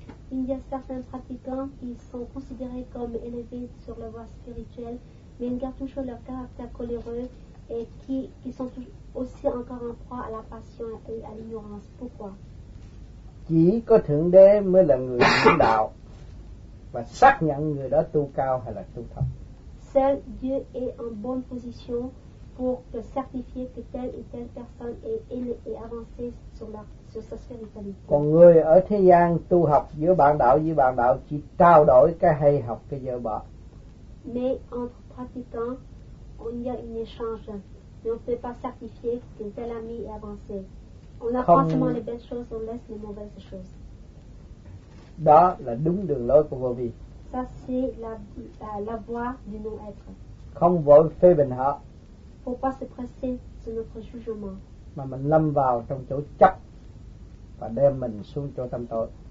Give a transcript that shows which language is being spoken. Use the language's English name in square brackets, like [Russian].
[French] Il y a certains pratiquants qui sont considérés comme élevés sur la voie spirituelle mais ils gardent toujours leur caractère coléreux et qui sont toujours aussi encore en proie à la passion et à l'ignorance. Pourquoi? [Vietnamese] Chỉ có Thượng Đế mới là người lãnh đạo và xác nhận người đó tu cao hay là tu thấp. [French] Seul Dieu est en bonne position pour certifier que telle ou telle personne est avancée sur sa spiritualité. [Vietnamese] Còn người ở thế gian tu học giữa bạn đạo với bạn đạo chỉ trao đổi cái hay học cái dở bỏ. [French] Mais entre pratiquants, il y a un échange. Mais on ne peut pas certifier que tel ami est avancé. On apprend seulement les belles choses, on laisse les mauvaises choses. [Vietnamese] Đó là đúng đường lối của vô vi. [French] Ça, c'est la voie du non-être. [Vietnamese] Không vội phê bình họ. [French] Faut pas se presser sur notre jugement. [Vietnamese] Mà mình lâm vào trong chỗ chấp và đem mình xuống chỗ tâm tội.